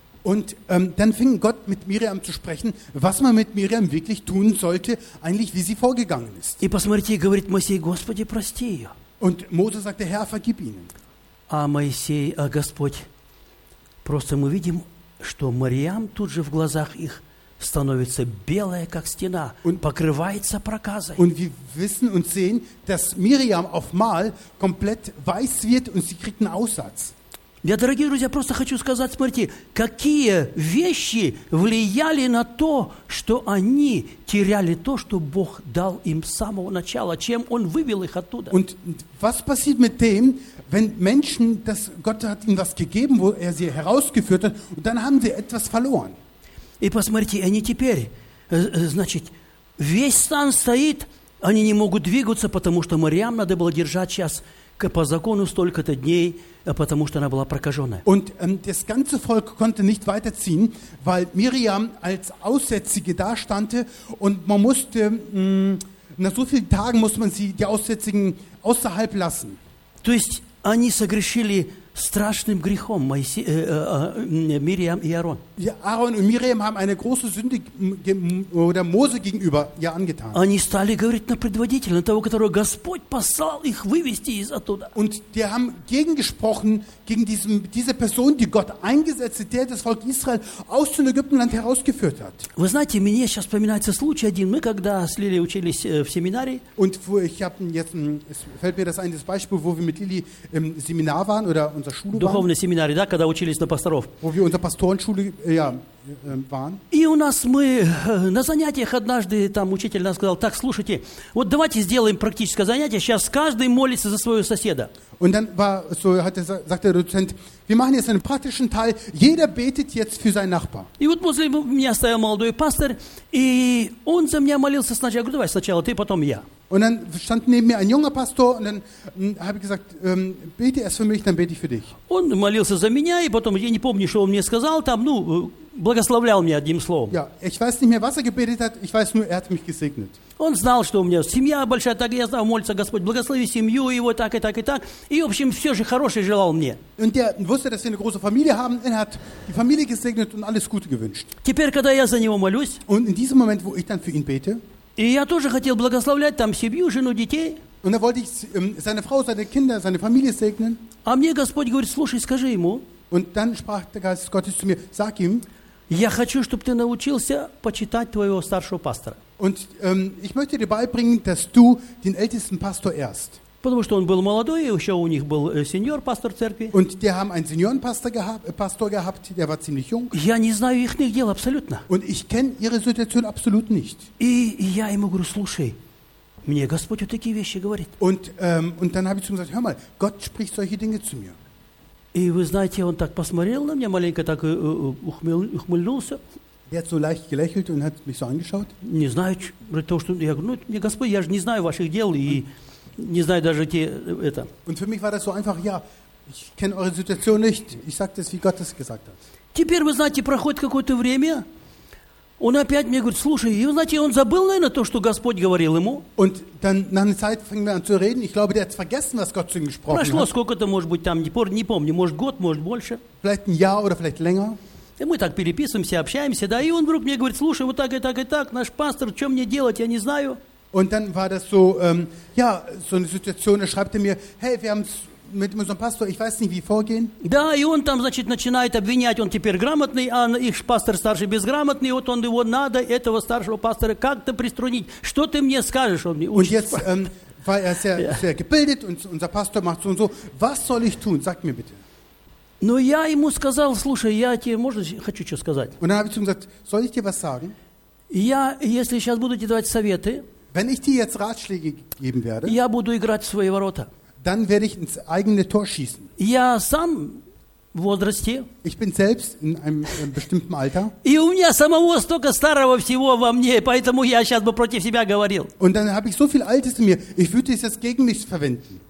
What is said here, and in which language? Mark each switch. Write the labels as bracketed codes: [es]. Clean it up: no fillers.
[de] Und dann fing Gott mit Miriam zu sprechen, was man mit Miriam wirklich tun sollte, eigentlich wie sie vorgegangen ist. [ru] И посмотрите, говорит Моисей, Господи, прости ее. [de] Und Mose sagte, Herr, vergib ihnen. [ru] А Моисей, а Господь, просто мы видим, что Мариам тут же в глазах их становится белая, как стена, покрывается проказой. [de] Und wir wissen und sehen, dass Miriam auf einmal komplett weiß wird und sie kriegt einen Aussatz. [ru] Я, дорогие друзья, просто хочу сказать, смотрите, какие вещи влияли на то, что они теряли то, что Бог дал им с самого начала, чем Он вывел их оттуда. [de] Und was passiert mit dem, wenn Menschen, dass Gott hat ihnen was gegeben, wo er sie herausgeführt hat, und dann haben sie etwas verloren. [ru] И посмотрите, они теперь, значит, весь стан стоит, они не могут двигаться, потому что Мариам надо было держать сейчас по закону столько-то дней, потому что она была прокаженная. [de] Und das ganze Volk konnte nicht weiterziehen, weil Miriam als Aussätzige dastand und man musste, nach so vielen Tagen muss man sie, die Aussätzigen, außerhalb lassen. [ru] То есть они согрешили страшным грехом, Мириам и Аарон. [de] Аарон и Мириам haben eine große Sünde oder Mose gegenüber ja angetan. [ru] Они стали говорить на предводителя, на того, которого Господь послал их вывести из оттуда. [de] Und die haben gegengesprochen gegen diese Person, die Gott eingesetzt hat, der das Volk Israel aus dem Ägyptenland herausgeführt hat. [ru] Вы знаете, мне сейчас вспоминается случай один. Мы когда с Лили учились в семинарии. [de] Und ich habe jetzt fällt mir das ein, das Beispiel, wo wir mit Lili im Seminar waren oder unser Schule [ru] духовный [de] waren, [ru] семинарий, да, когда учились на пасторов. [de] Wo wir unter Pastorenschule waren. [ru] И у нас мы на занятиях однажды там учитель нам сказал: "Так, слушайте, вот давайте сделаем практическое занятие. Сейчас каждый молится за своего соседа." [de] Und dann war so hat er sagt der Dozent: "Wir machen jetzt einen praktischen Teil. Jeder betet jetzt für seinen Nachbar." [ru] И вот после меня стоял молодой пастор, и он за меня молился сначала. Я говорю: "Давай сначала ты, потом я." [de] Und dann stand neben mir ein junger Pastor und dann habe ich gesagt, bete erst für mich, dann bete ich für dich. [ru] Он молился за меня, и потом я не помню, что он мне сказал, там, ну, благословлял меня одним словом. [de] Ja, ich weiß nicht mehr, was er gebetet hat, ich weiß nur, er hat mich gesegnet. [ru] Он знал, что у меня семья большая, так я знал, молится Господь, благослови семью его, так и так и так. И, в общем, все же хорошее желал мне. [de] Und der wusste, dass wir eine große Familie haben, er hat die Familie gesegnet und alles Gute gewünscht. [ru] Теперь, когда я за него молюсь, [de] und in diesem Moment, wo ich dann für ihn bete, [ru] и я тоже хотел благословлять там семью, жену, детей. [de] Und dann wollte ich seine Frau, seine Kinder, seine Familie segnen. [ru] А мне Господь говорит: "Слушай, скажи ему." [de] Und dann sprach der Geist Gottes zu mir: "Sag ihm." [ru] Я хочу, чтобы ты научился почитать твоего старшего пастора. [de] Und ich möchte dir beibringen, dass du den ältesten Pastor ehrst. [ru] Потому что он был молодой, и еще у них был сеньор пастор церкви. [de] Und die haben einen Seniorenpastor gehabt, der war ziemlich jung. [ru] Я не знаю их дел абсолютно. [de] Und ich kenne ihre Situation absolut nicht. [ru] И я ему говорю: "Слушай, мне Господь вот такие вещи говорит." [de] Und dann habe ich zu ihm gesagt: "Hör mal, Gott spricht solche Dinge zu mir." [ru] И вы знаете, он так посмотрел на меня, маленько так ухмыльнулся. [de] Der hat so leicht gelächelt und hat mich so angeschaut. [ru] Не знаю, то, что я говорю: "Ну, Господь, я же не знаю ваших дел и не знаю даже те это." [de] Und für mich war das so einfach: "Ja, ich kenne eure Situation nicht. Ich sag das, wie Gott es gesagt hat." [ru] Теперь, вы знаете, проходит какое-то время, он опять мне говорит: "Слушай, и, знаете, он забыл, наверное, то, что Господь говорил ему." [de] Und dann nach einer Zeit fangen wir an zu reden. Ich glaube, der hat vergessen, was Gott zu ihm gesprochen [ru] прошло [de] hat. [ru] Сколько-то, может быть, там, не помню, может год, может больше. [de] Vielleicht ein Jahr oder vielleicht länger. [ru] И мы так переписываемся, общаемся, да, и он вдруг мне говорит: "Слушай, вот так и так и так, наш пастор, что мне делать, я не знаю." [de] Und dann war das so, ja, so eine Situation, er schreibt mir: "Hey, wir haben es mit unserem Pastor, ich weiß nicht, wie vorgehen." [ru] Да, и он там, значит, начинает обвинять, он теперь грамотный, а их пастор старший безграмотный, вот он его надо, этого старшего пастора, как-то приструнить, что ты мне скажешь, он мне учит. [de] Und jetzt war er sehr, sehr gebildet und unser Pastor macht so und so, was soll ich tun, sag mir bitte. [ru] Но я ему сказал: "Слушай, я тебе, можно, хочу что сказать?" [de] Und dann habe ich zu ihm gesagt: "Soll ich dir was sagen?" [ru] Я, если сейчас буду тебе давать советы, [de] wenn ich dir jetzt Ratschläge geben werde, [ru] я буду играть в свои ворота. [de] Dann werde ich ins eigene Tor schießen. [ru] Я сам в возрасте. [de] Ich bin selbst in einem bestimmten Alter. [ru] И у меня самого столько старого всего во мне, поэтому я сейчас бы против себя говорил. [de] Und dann habe ich so viel Altes in mir, ich würde es jetzt gegen mich verwenden.